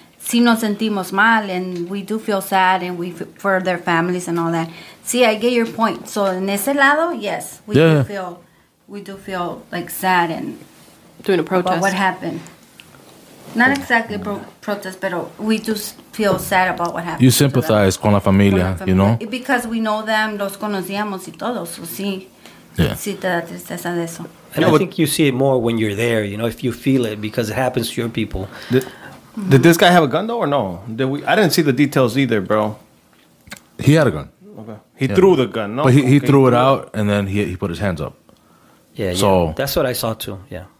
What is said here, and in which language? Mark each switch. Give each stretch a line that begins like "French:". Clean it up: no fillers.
Spanish: Si nos sentimos mal,
English: and we do feel sad, and we for their families and all that. See, I get your point. So,
Spanish: en ese lado,
English: yes, we do feel like sad and doing a protest. About what happened? Not exactly protest, but we do feel sad about what happened. You sympathize
Spanish: con la familia,
English: you know? Because we know them,
Spanish: los conocíamos y todos. So, sí, sí te da tristeza de eso.
English: And I think you see it more when you're there, you know, if you feel it, because it happens to your people. Did this guy have a gun, though, or no? I didn't see the details either, bro. He had a gun. Okay. He threw the gun. No, but he threw it out, and then he put his hands up. Yeah, so, yeah. That's what I saw, too, yeah.